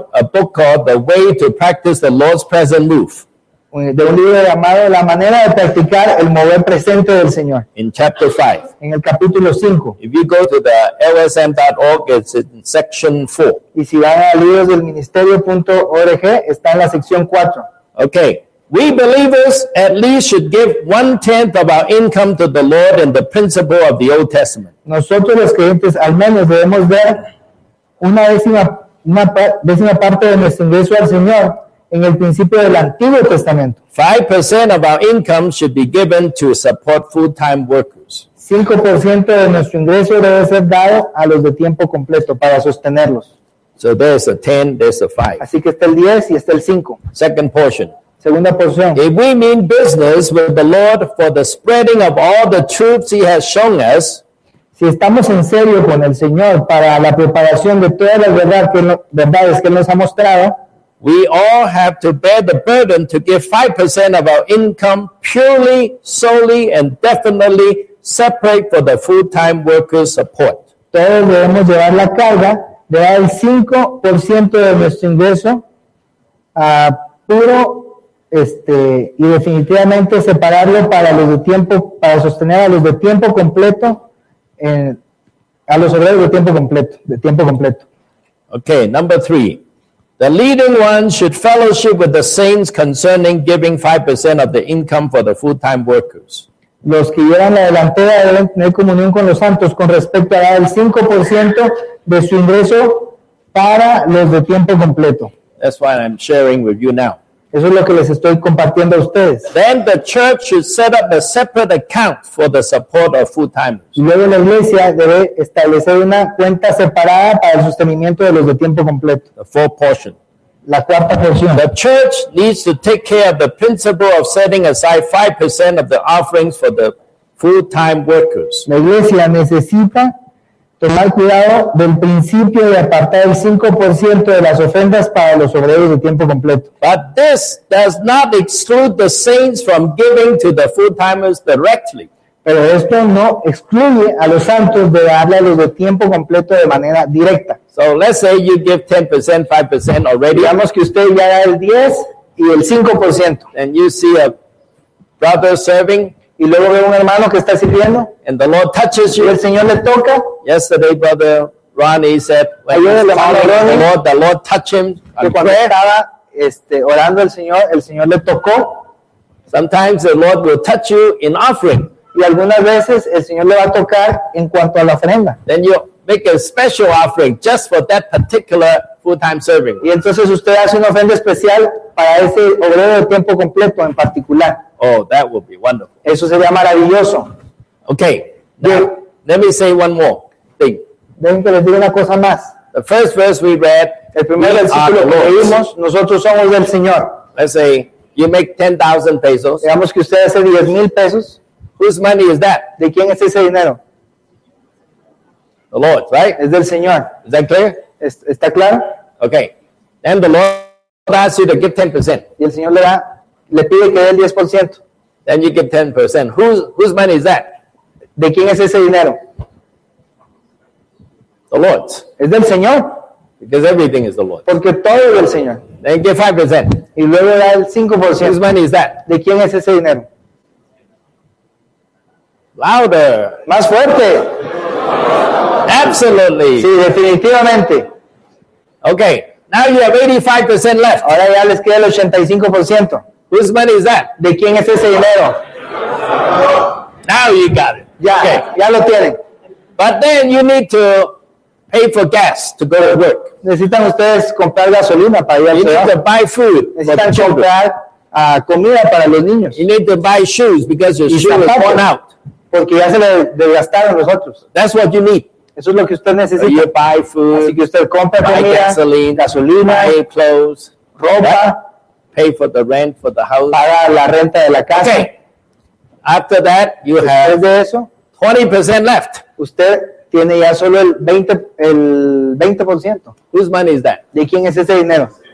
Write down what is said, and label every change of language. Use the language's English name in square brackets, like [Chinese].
[English] A book called The Way to Practice the Lord's Present Move. [Spanish] De un libro llamado La Manera de Practicar el Mover Presente del Señor. [English] In chapter 5. [Spanish] En el capítulo 5. [English] If you go to the lsm.org, it's in section 4. [Spanish] Y si van a librosdelministerio.org, está en la sección 4. [English] Okay. We believers at least should give 1/10 of our income to the Lord in the principle of the Old Testament. [Spanish] Nosotros los creyentes al menos debemos dar una décima parte de nuestro ingreso al Señor en el principio del Antiguo Testamento. [English] 5% of our income should be given to support full-time workers. [Spanish] 5% de nuestro ingreso debe ser dado a los de tiempo completo para sostenerlos. [English] So there's a 10, there's a 5. [Spanish] Así que está el 10 y está el 5. [English] Second portion. [Spanish] Segunda porción. [English] If we mean business with the Lord for the spreading of all the truths he has shown us, [Spanish] si estamos en serio con el Señor para la preparación de todas las verdades que nos ha mostrado, [English] we all have to bear the burden to give 5% of our income purely, solely, and definitely separate for the full-time workers' support. [Spanish] Todos debemos llevar la carga de dar el 5% de nuestro ingreso puro y definitivamente separarlo para los de tiempo, para sostener a los de tiempo completo, a los obreros de tiempo completo. [English] Okay, number three. The leading ones should fellowship with the saints concerning giving 5% of the income for the full-time workers. [Spanish] Los que llevan la delantera deben tener comunión con los santos con respecto a dar el 5% de su ingreso para los de tiempo completo. [English] That's why I'm sharing with you now. [Spanish] Eso es lo que les estoy compartiendo a ustedes. [English] Then the church should set up a separate account for the support of full-timers. [Spanish] Y luego la iglesia debe establecer una cuenta separada para el sostenimiento de los de tiempo completo. [English] The fourth portion. [Spanish] La cuarta porción. [English] The church needs to take care of the principle of setting aside 5% of the offerings for the full-time workers. [Spanish] La iglesia necesita tomar cuidado del principio de apartar el 5% de las ofrendas para los obreros de tiempo completo. [English] But this does not exclude the saints from giving to the full-timers directly. [Spanish] Pero esto no excluye a los santos de darle a los de tiempo completo de manera directa. [English] So let's say you give 10%, 5% already. [Spanish] Digamos que usted ya da el 10 y el 5%. [English] And you see a brother serving. [Spanish] Y luego ve un hermano que está sirviendo. [English] And the Lord touches you. [Spanish] Y el Señor le toca. [English] Yesterday, brother Ronnie said, the Lord touched him. [Spanish] Cuando estaba orando el Señor le tocó. [English] Sometimes the Lord will touch you in offering. [Spanish] Y algunas veces el Señor le va a tocar en cuanto a la ofrenda. [English] Then you make a special offering just for that particular full-time serving. [Spanish] Y entonces usted hace una ofrenda especial para ese obrero de tiempo completo en particular. [English] Oh, that would be wonderful. [Spanish] Eso sería maravilloso. [English] Okay. Now, let me say one more thing. [Spanish] Dejen que les diga una cosa más. [English] The first verse we read, [Spanish] el primer versículo que leímos, nosotros somos del Señor. [English] Let's say you make 10,000 pesos. [Spanish] Digamos que usted hace 10,000 pesos. [English] Whose money is that? [Spanish] ¿De quién es ese dinero? [English] The Lord, right? [Spanish] Es del Señor. [English] Is that clear? [Spanish] ¿Está claro? [English] Okay. And the Lord asks you to give 10%. [Spanish] Y el Señor le pide que dé el 10%. [English] Then you give 10%. Whose money is that? [Spanish] ¿De quién es ese dinero? [English] The Lord. [Spanish] ¿Es del Señor? [English] Because everything is the Lord. [Spanish] Porque todo es del Señor. [English] Then you give 5%. [Spanish] Y luego da el 5%. [English] Whose money is that? [Spanish] ¿De quién es ese dinero? [English] Louder. [Spanish] Más fuerte. [English] Absolutely. [Spanish] Sí, definitivamente. [English] Okay. Now you have 85% left. [Spanish] Ahora ya les queda el 85%. [English] Whose money is that? [Spanish] ¿De quién es ese dinero? [English] Now you got it. [Spanish] Ya, okay. Ya lo tienen. [English] But then you need to pay for gas to go to work. [Spanish] Necesitan ustedes comprar gasolina para ir al trabajo. [English] You need to buy food. [Spanish] Necesitan comprar comida para los niños. [English] You need to buy shoes because your shoes are worn out. [Spanish] Porque ya se le desgastaron los otros. [English] That's what you need. [Spanish] Eso es lo que usted necesita. [English] You buy food. [Spanish] Así que usted compra comida. [English] Buy gasoline. [Spanish] Gasolina. [English] Buy clothes. [Spanish] Ropa. [English] Pay for the rent for the house. [Spanish] Paga la renta de la casa. [English] Okay. After that, you [Spanish] después [English] have [Spanish] de eso, [English] 20% left. [Spanish] Usted tiene ya solo el 20%. [English] Whose money is that? [Spanish] ¿De quién es ese dinero?